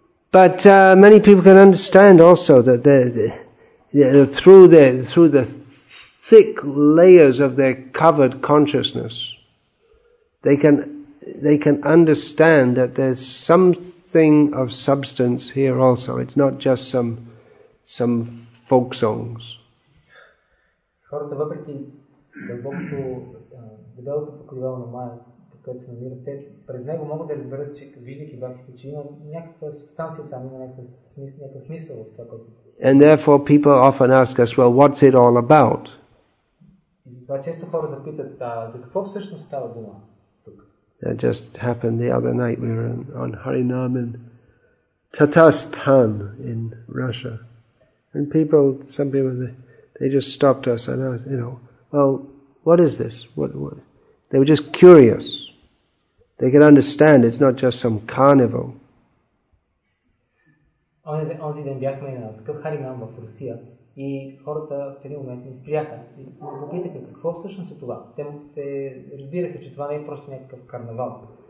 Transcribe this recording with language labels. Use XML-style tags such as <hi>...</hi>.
<en>But many people can understand also that through the thick layers of their covered consciousness, they can understand that there's something of substance here also. It's not just some folk songs.</en> <bg>Хората въпреки дълбокото дебелото покривало на майя, което се намира, те през него могат да разберат, че виждайки бактите, че има някаква субстанция там, има някакъв смисъл в това, което</bg> <en>And therefore people often ask us, well, what's it all about? That just happened the other night. We were on Harinam in Tatarstan in Russia. And some people just stopped us and asked, you know, well, what is this? What? They were just curious. They could understand it's not just some carnival.</en> <bg>Онзи ден бяхме на такъв Харинам в Русия и хората в един момент ни спряха и попитаха какво всъщност е това. Те разбираха, че това не е просто някакъв карнавал.</bg>